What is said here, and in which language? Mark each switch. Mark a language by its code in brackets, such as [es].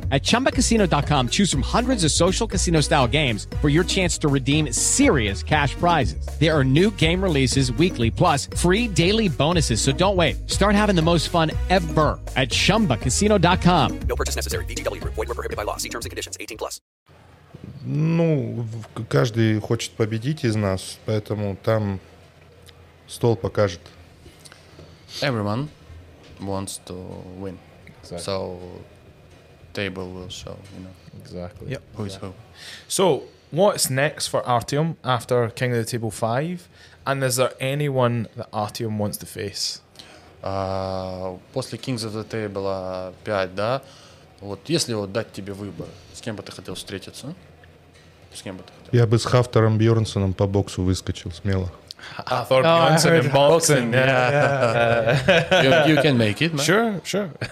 [en] At chumbacasino.com, choose from hundreds of social casino style games for your chance to redeem serious cash prizes. There are new game releases weekly, plus free daily bonuses. So don't wait. Start having the most fun ever at chumbacasino.com. No purchase necessary. VGW. Void where prohibited by law. See terms and conditions 18 plus. [ru] Ну, каждый хочет победить из нас, поэтому там... Стол покажет. [en] Everyone wants to win, exactly. So table will show, you know. Exactly. Yep. Who is who? So what's next for Artyom after King of the Table 5? And is there anyone that Artyom wants to face? [ru] После Kings of the Table 5, да? Вот если вот дать тебе выбор, с кем бы ты хотел встретиться? С кем бы ты хотел? Я бы с Хафтером Бьёрнсоном по боксу выскочил смело. [en] Hathor Bjornsson in boxing. Yeah. Yeah. You can make it, man. Sure.